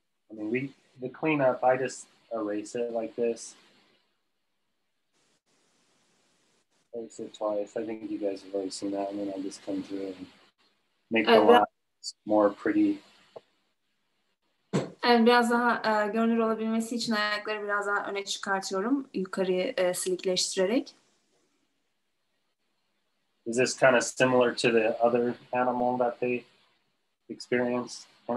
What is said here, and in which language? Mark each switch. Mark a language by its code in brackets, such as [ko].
[en] I mean, the cleanup, I just erase it like this. Erase it twice. I think you guys have already seen that. And then I just come through and make the lines more pretty. [tr] Evet, biraz daha görünür olabilmesi için ayakları biraz daha öne çıkartıyorum. Yukarıyı silikleştirerek. [en] Is this kind of similar to the other animal that they experienced?